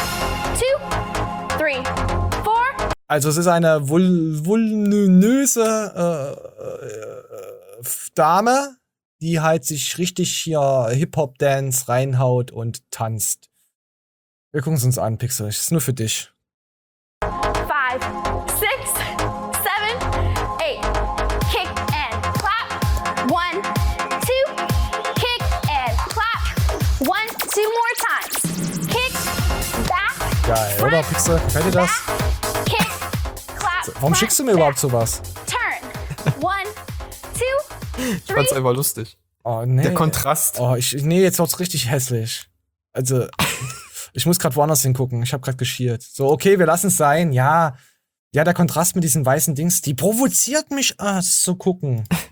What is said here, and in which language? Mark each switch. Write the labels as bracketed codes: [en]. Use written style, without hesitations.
[de] 1, 2, 3, 4. Also, es ist eine voluminöse Dame, die halt sich richtig hier Hip-Hop-Dance reinhaut und tanzt. Wir gucken es uns an, Pixel, es ist nur für dich. [en] 5, 6, 7, 8, kick and clap. 1, 2, kick and clap. 1, 2 more times. Kick, back. [de] Geil, [en] front, [de] oder, Pixel? Fällt dir das? [en] Back, kick, clap, [de] so, warum schickst du mir überhaupt sowas? [en] Turn. 1, 2, 3. [de] Ich fand's einfach lustig. Oh, nee. Der Kontrast. Oh, nee, jetzt wird's richtig hässlich. Also, ich muss gerade woanders hingucken. Ich hab grad geschiert. So, okay, wir lassen's sein. Ja. Ja, der Kontrast mit diesen weißen Dings, die provoziert mich, zu gucken.